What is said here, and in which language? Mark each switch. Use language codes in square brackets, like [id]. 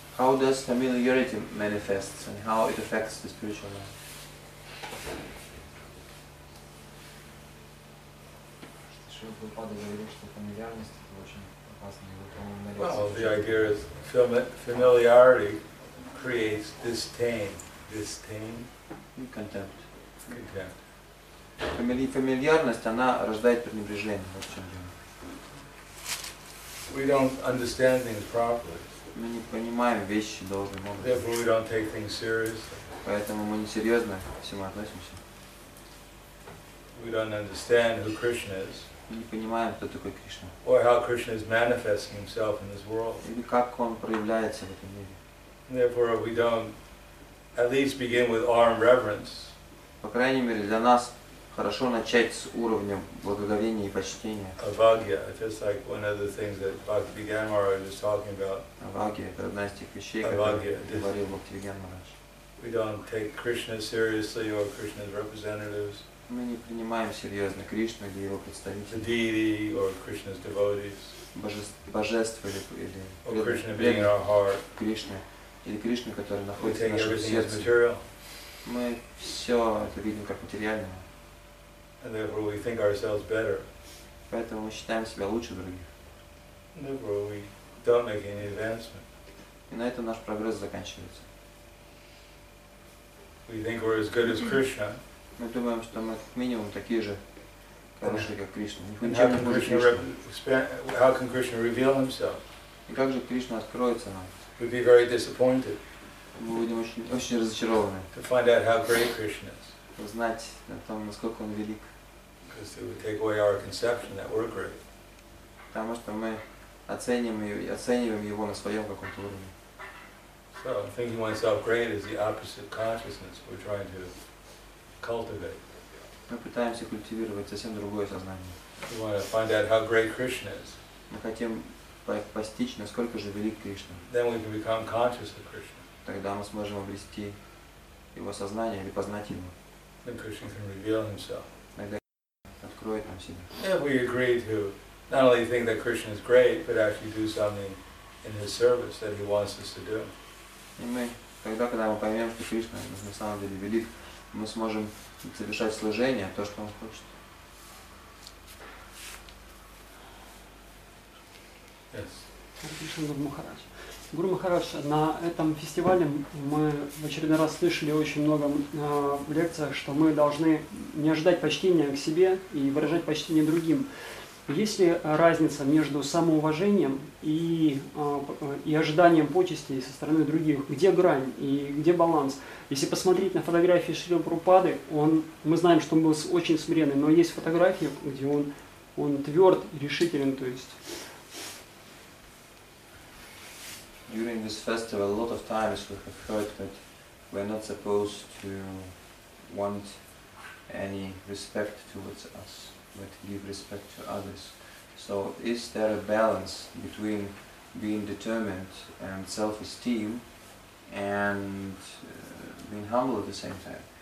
[en] How does familiarity manifest and how it affects the spiritual life? [ru] Шрила Прабхупада говорит, что фамильярность это очень [en] Well, the idea is familiarity creates disdain. Disdain? Contempt. Contempt. [ru] Familiarность, она рождает пренебрежение, вот в чем дело. [en] We don't understand things properly. [ru] Мы не понимаем вещи должным образом. [en] Therefore, we don't take things seriously. [ru] Поэтому мы несерьезно к всему относимся. [en] We don't understand who Krishna is. [ru] Не понимаем, кто такой Кришна. [en] Or how Krishna is manifesting himself in this world. [ru] Или как он проявляется в этом мире. [en] Therefore, we don't at least begin with awe and reverence. [ru] По крайней мере, для нас хорошо начать с уровня благоговения и почтения. [en] Avagya, just like one of the things that Bhaktivinoda Maharaj was talking about. [ru] Avagya, это одна из тех вещей, которые говорил Бхактивинода Махарадж. [en] We don't take Krishna seriously or Krishna's representatives. [ru] Мы не принимаем серьезно Кришну или его представителей. [en] The deity or Krishna's devotees. [ru] Божество или Кришна. Или Кришна, который находится в нашем сердце. Мы все это видим как материальное. [en] And therefore we think ourselves better. [ru] Поэтому мы считаем себя лучше других. [en] And therefore we don't make any advancement. [ru] И на этом наш прогресс заканчивается. [en] We think we're as good as Krishna. [ru] Мы думаем, что мы как минимум такие же хорошие, как Кришна. [en] How can Krishna reveal himself? [ru] И как же Кришна откроется нам? [en] We'd be very disappointed. [ru] Мы будем очень, очень разочарованы. [en] To find out how great Krishna is. [ru] Узнать о том, насколько он велик. [en] Because it would take away our conception that we're great. [ru] Потому что мы оцениваем его на своем каком-то уровне. [en] So thinking oneself great is the opposite consciousness we're trying to. [ru] Мы пытаемся культивировать совсем другое сознание. [en] We want to find out how great Krishna is. [ru] Мы хотим постичь, насколько же велик Кришна. [en] Then we can become conscious of Krishna. [ru] Тогда мы сможем обрести его сознание или познать его. [en] Then Krishna can reveal himself. [ru] Тогда откроет нам себя. [en] If we agree to not only think that Krishna is great, but actually do something in his service that he wants us to do. [ru] И мы, когда мы поймем, что Кришна на самом деле велик. Мы сможем совершать служение, то, что он хочет. [en] Yes. [ru] Гуру Махарадж, на этом фестивале мы в очередной раз слышали очень много в лекциях, что мы должны не ожидать почтения к себе и выражать почтение другим. Есть ли разница между самоуважением и ожиданием почести со стороны других? Где грань и где баланс? Если посмотреть на фотографии Шрилы Прабхупады, мы знаем, что он был очень смиренный, но есть фотографии, где он тверд и решителен, то есть. [en] During this festival, a lot of times we have heard that we're not supposed to want any respect towards us, but give respect to others. So is there a balance between being determined and self-esteem and being humble at the same time?